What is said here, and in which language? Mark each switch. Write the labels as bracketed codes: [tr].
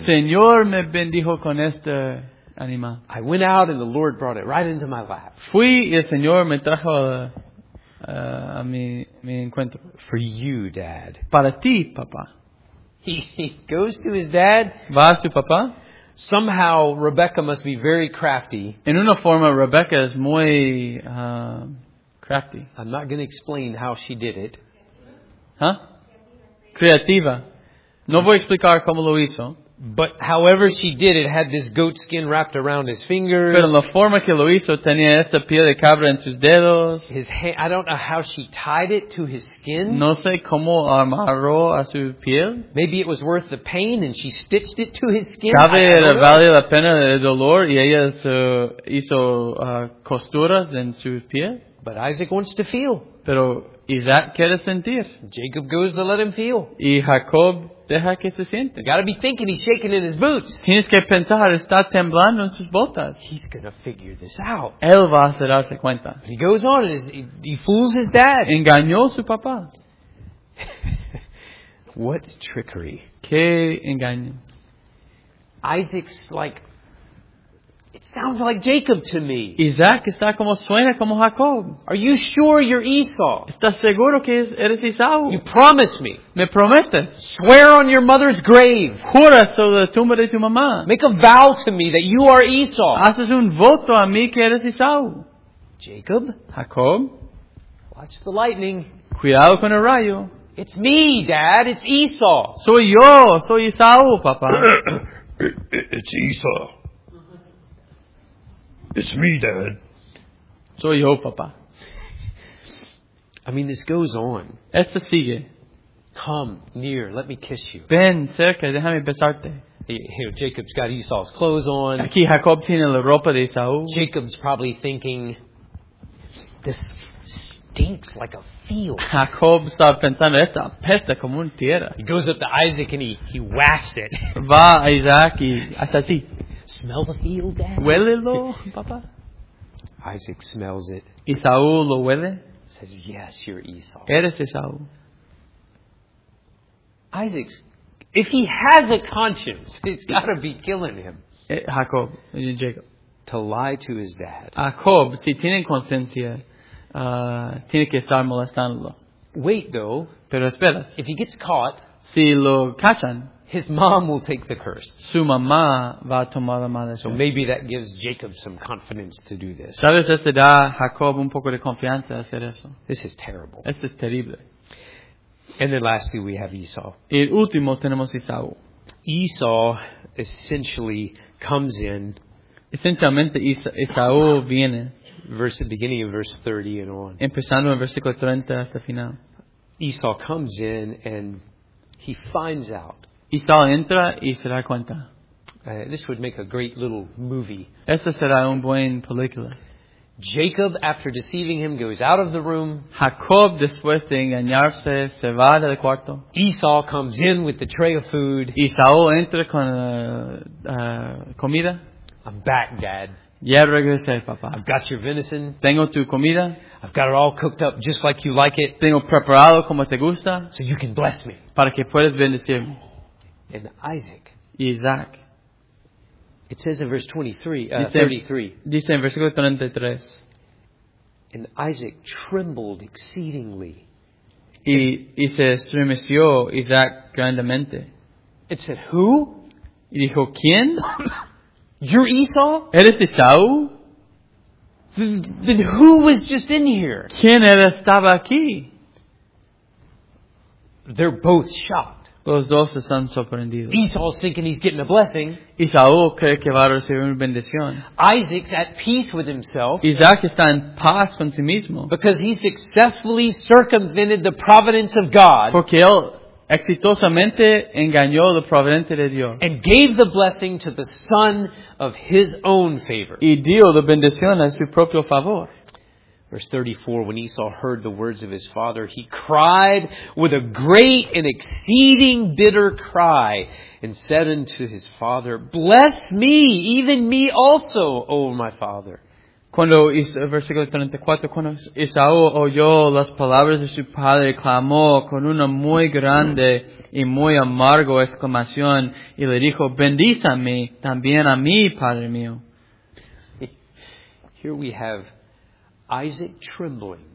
[es] El Señor me bendijo con este animal. [en] I went out and the Lord brought it right into my lap. [es] Fui y el Señor me trajo a mi encuentro. [en] For you, Dad. [es] Para ti, papá. [en] He goes to his dad. [es] Va a su papá. [en] Somehow, Rebecca must be very crafty. [es] En una forma, Rebecca es muy crafty. [en] I'm not going to explain how she did it. [es] Huh? creativa. No voy a explicar cómo lo hizo. [en] But however she did, it had this goat skin wrapped around his fingers. [es] Pero la forma que lo hizo tenía esta piel de cabra en sus dedos. [en] His hand, I don't know how she tied it to his skin. [es] No sé cómo amarró a su piel. [en] Maybe it was worth the pain and she stitched it to his skin. [es] Cabe era valía la pena el dolor y ella hizo costuras en su piel. [en] But Isaac wants to feel. [es] Pero Isaac quiere sentir. [en] Jacob goes to let him feel. [es] Y Jacob deja que se siente. [en] You gotta be thinking he's shaking in his boots. [es] Tienes que pensar, está temblando en sus botas. [en] He's gonna figure this out. [es] Él va a hacer darse cuenta. [en] He goes on and he fools his dad. [es] Engañó su papá. [en] What trickery. [es] Qué engaño. [en] Isaac's like, it sounds like Jacob to me. [es] Isaac está como suena como Jacob. [en] Are you sure you're Esau? [es] ¿Estás seguro que eres Esau? [en] You promise me. [es] Me prometes. [en] Swear on your mother's grave. [es] Jura sobre la tumba de tu mamá. [en] Make a vow to me that you are Esau. [es] Haces un voto a mí que eres Esau. [en] Jacob? [es] Jacob? [en] Watch the lightning. [es] Cuidado con el rayo. [en] It's me, Dad. It's Esau. [es] Soy yo. Soy Esau, papá. [en] It's Esau. It's me, Dad. [es] Soy yo, papá. [en] I mean, this goes on. [es] Esto sigue. [en] Come near, let me kiss you. [es] Ven cerca, déjame besarte. [en] You know, Jacob's got Esau's clothes on. [es] Aquí Jacob tiene la ropa de Esau. [en] Jacob's probably thinking, this stinks like a field. [es] Jacob está pensando, esto apesta como una tierra. [en] He goes up to Isaac and he whacks it. [es] Va a Isaac y hasta así. [en] Smell the field, Dad. [es] Huélelo, papá. [en] Isaac smells it. [es] Esau lo huele. [en] Says, yes, you're Esau. [es] Eres Esau. [en] Isaac, if he has a conscience, it's got to be killing him. Jacob, Jacob. To lie to his dad. [es] Jacob, si tiene conciencia, tiene que estar molestándolo. [en] Wait, though. [es] Pero esperas. [en] If he gets caught. [es] Si lo cachan. [en] His mom will take the curse. [es] Su mamá va a tomar la maldición. [en] So maybe that gives Jacob some confidence to do this. [es] ¿Sabes? Esto da a Jacob un poco de confianza hacer eso. [en] This is terrible. [es] Esto es terrible. [en] And then lastly we have Esau. [es] Y último tenemos Esau. [en] Esau essentially comes in. [es] Esencialmente Esau viene. [en] Verse, beginning in verse 30 and on. [es] Empezando en versículo 30 hasta final. [en] Esau comes in and he finds out. [es] Esau entra y se da cuenta. [en] This would make a great little movie. [es] Esta será un buen película. [en] Jacob, after deceiving him, goes out of the room. [es] Jacob, después de engañarse, se va del cuarto. [en] Esau comes in with the tray of food. [es] Esau entra con comida. [en] I'm back, Dad. [es] Ya regresé, papá. [en] I've got your venison. [es] Tengo tu comida. [en] I've got it all cooked up just like you like it. [es] Tengo preparado como te gusta. [en] So you can bless me. [es] Para que puedas bendecirme. [en] And Isaac. [es] Isaac. [en] It says in verse 33. [es] Dice en versículo 33. [en] And Isaac trembled exceedingly. [es] Y se estremeció Isaac grandemente. [en] It said, who? [es] Y dijo, ¿quién? [en] You're Esau? [es] ¿Eres Esau? [en] Then who was just in here? [es] ¿Quién era estaba aquí? [en] They're both shocked. [es] Los dos están sorprendidos. [en] Esau's thinking he's getting a blessing. [es] Esau cree que va a recibir una bendición. [en] Isaac's at peace with himself. [es] Isaac está en paz con sí mismo. [en] Because he successfully circumvented the providence of God. [es] Porque él exitosamente engañó la providencia de Dios. [en] And gave the blessing to the son of his own favor. [es] Y dio la bendición a su propio favor. [en] Verse 34, when Esau heard the words of his father, he cried with a great and exceeding bitter cry and said unto his father, bless me, even me also, O my father. [es] Cuando, versículo 34, cuando Esau oyó las palabras de su padre, clamó con una muy grande y muy amargo exclamación y le dijo, bendízame también a mí, padre mío. [en] Here we have Isaac trembling.